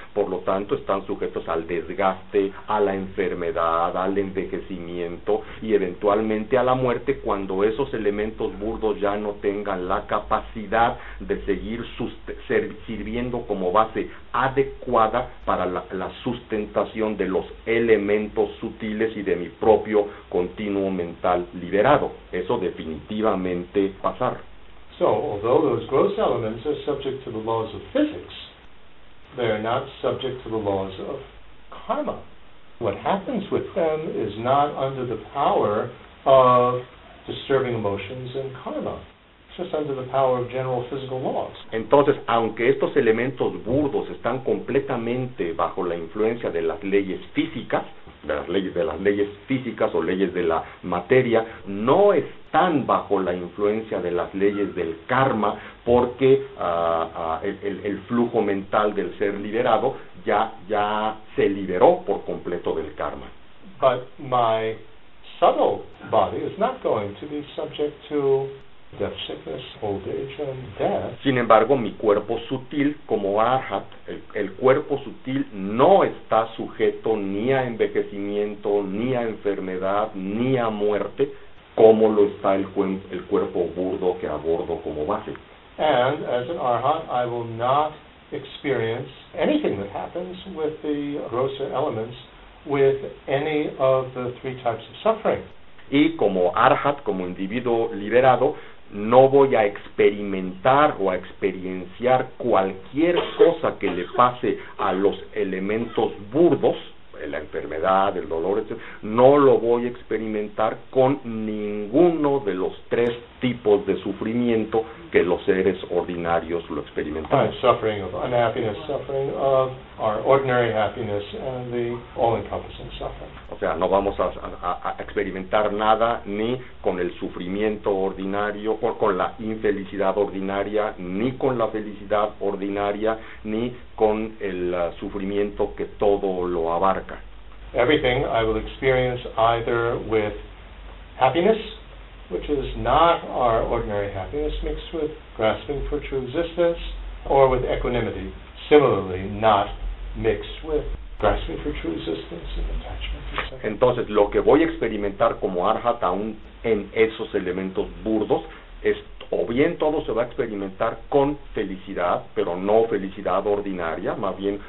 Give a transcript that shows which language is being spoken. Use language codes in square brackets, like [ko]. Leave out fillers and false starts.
[es] Por lo tanto, están sujetos al desgaste, a la enfermedad, al envejecimiento y eventualmente a la muerte cuando esos elementos burdos ya no tengan la capacidad de seguir sirviendo como base adecuada para la sustentación de los elementos sutiles y de mi propio continuo mental liberado. Eso definitivamente pasar. [en] So, although those gross elements are subject to the laws of physics, they are not subject to the laws of karma. What happens with them is not under the power of disturbing emotions and karma. Just under the power of general physical laws. [es] Entonces, aunque estos elementos burdos están completamente bajo la influencia de las leyes físicas, de las leyes físicas o leyes de la materia, no están bajo la influencia de las leyes del karma, porque el flujo mental del ser liberado ya se liberó por completo del karma. [en] But my subtle body is not going to be subject to death, sickness, old age, and death. [es] Sin embargo, mi cuerpo sutil, como Arhat, el cuerpo sutil no está sujeto ni a envejecimiento, ni a enfermedad, ni a muerte, como lo está el cuerpo burdo que abordo como base. [en] And as an Arhat, I will not experience anything that happens with the grosser elements with any of the three types of suffering. [es] Y como Arhat, como individuo liberado, no voy a experimentar o a experienciar cualquier cosa que le pase a los elementos burdos, la enfermedad, el dolor, etc. No lo voy a experimentar con ninguno de los tres tipos de sufrimiento que los seres ordinarios lo experimentan. [en] I'm suffering of unhappiness, suffering of our ordinary happiness and the all-encompassing suffering. [es] O sea, no vamos a experimentar nada ni con el sufrimiento ordinario, o con la infelicidad ordinaria, ni con la felicidad ordinaria, ni con el sufrimiento que todo lo abarca. [en] Everything I will experience either with happiness, which is not our ordinary happiness mixed with grasping for true existence, or with equanimity, similarly not mixed with grasping for true existence and attachment. [es] Entonces, lo que voy a experimentar como Arhat aún en esos elementos burdos es o bien todo se va a experimentar con felicidad, pero no felicidad ordinaria, más bien